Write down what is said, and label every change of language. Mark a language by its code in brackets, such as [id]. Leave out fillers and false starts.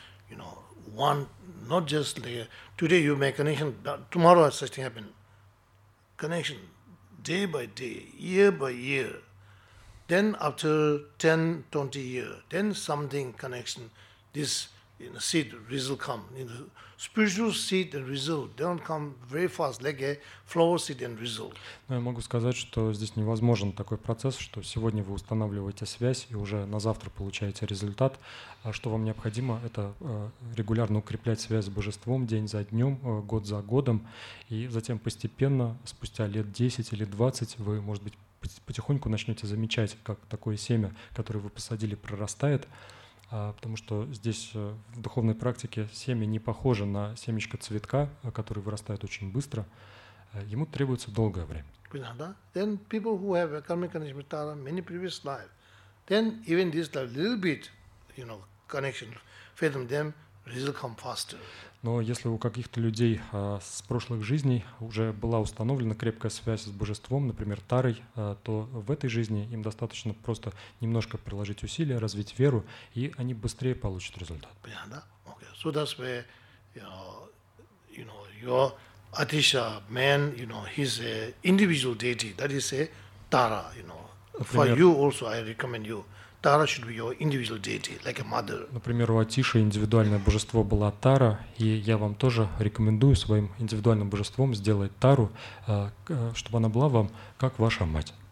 [en] You know, one not just like today you make connection, but tomorrow such thing happen. Connection. Day by day, year by year, then after 10, 20 years, then something connection, this seed result come. Spiritual seed and result, they don't come very fast, like a flower seed and result. [ru] Но я могу сказать, что здесь невозможен такой процесс, что сегодня вы устанавливаете связь и уже на завтра получаете результат. А что вам необходимо, это регулярно укреплять связь с Божеством день за днем, год за годом, и затем постепенно, спустя лет 10 или 20, вы, может быть, потихоньку начнете замечать, как такое семя, которое вы посадили, прорастает. Потому что здесь в духовной практике семя не похоже на семечко цветка, который вырастает очень быстро. Ему требуется долгое время. Понятно, да? [en] Then people who have a karmic connection with Tara many previous life, then even this a little bit, you know, connection, faith in them, result come faster. [ru] Но если у каких-то людей с прошлых жизней уже была установлена крепкая связь с божеством, например, Тарой, то в этой жизни им достаточно просто немножко приложить усилия, развить веру, и они быстрее получат результат. Понятно, да? Okay. [en] So that's where, you know, your Atisha man, you know, he's an individual deity, that is a Tara, you know. [ru] Например, [en] for you also, I recommend you. Tara should be your individual deity, like a mother. [ru] Например, у Атиши индивидуальное божество была Тара, и я вам тоже рекомендую своим индивидуальным божеством сделать Тару, чтобы она была вам как ваша мать.